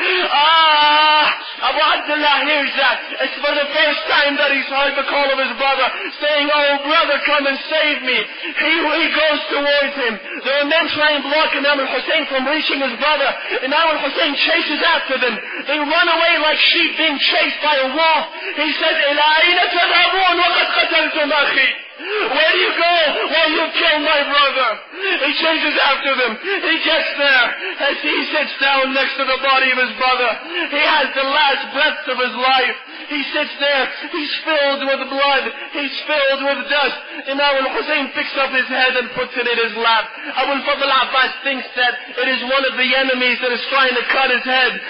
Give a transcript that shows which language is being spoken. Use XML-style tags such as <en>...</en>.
<en>Ah, Abu Abdullah hears that. It's for the first time that he's heard the call of his brother, saying, oh brother, come and save me. He goes towards him. There are men trying to block Imam al-Hussein from reaching his brother. Imam al-Hussein chases after them. They run away like sheep being chased by a wolf. He says,</en> <ar>إِلَىٰ أَيْنَ تَذْهَبُونَ وَقَدْ قَتَلْتُمْ أَخِي.</ar> <en>Where do you go? Well, you killed my brother. He chases after them. He gets there. As he sits down next to the body of his brother, he has the last breaths of his life. He sits there. He's filled with blood. He's filled with dust. And now when Hussein picks up his head and puts it in his lap, Abu al-Fadl Abbas thinks that it is one of the enemies that is trying to cut his head.</en>